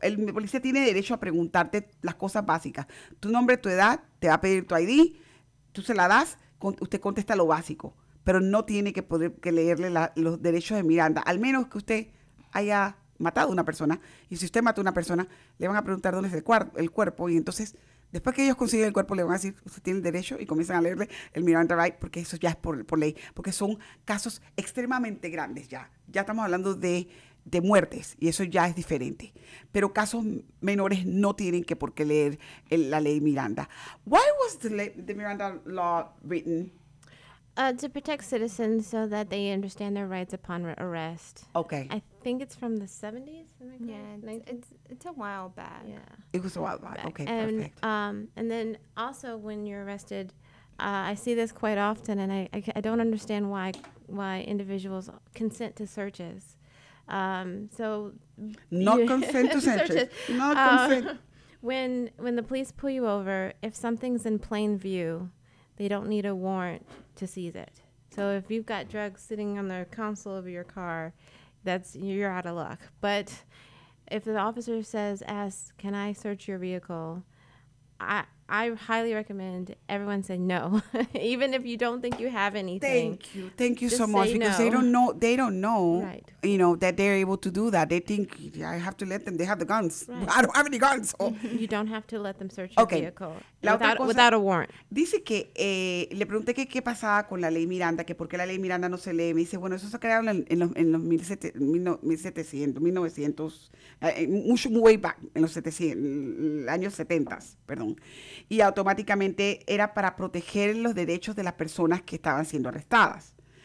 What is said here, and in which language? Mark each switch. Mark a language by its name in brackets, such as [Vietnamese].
[Spanish] El policía tiene derecho a preguntarte las cosas básicas. Tu nombre, tu edad, te va a pedir tu ID, tú se la das, usted contesta lo básico, pero no tiene que poder que leerle los derechos de Miranda, al menos que usted haya matado a una persona, y si usted mató a una persona, le van a preguntar dónde es el cuerpo, y entonces, después que ellos consiguen el cuerpo, le van a decir, usted tiene el derecho, y comienzan a leerle el Miranda Right, porque eso ya es por ley, porque son casos extremadamente grandes ya. Ya estamos hablando de muertes, y eso ya es diferente. Pero casos menores no tienen que por qué leer la ley Miranda. [English] Why was the Miranda Law written? To protect citizens so that they understand their rights upon arrest. Okay. I think it's from the 70s. It's a while back. Yeah. It was a while back. Okay, and, perfect. And then also when you're arrested, I see this quite often, and I don't understand why individuals consent to searches. Not consent to searches. Not consent. When the police pull you over, if something's in plain view, they don't need a warrant to seize it. So if you've got drugs sitting on the console of your car, that's you're out of luck. But if the officer says, "Ask, can I search your vehicle?" I highly recommend everyone say no, even if you don't think you have anything. Thank you so much, because they don't know, right. You know, that they're able to do that. They think, yeah, I have to let them. They have the guns. Right. I don't have any guns. So. You don't have to let them search your vehicle without a warrant. [Spanish] Dice que le pregunté que qué pasaba con la ley Miranda, que por qué la ley Miranda no se lee. Me dice, bueno, eso se crearon en los 1700, mucho [English] way back, [Spanish] en los 700, años 70, perdón. Y automáticamente era para proteger los derechos de las personas que estaban siendo arrestadas.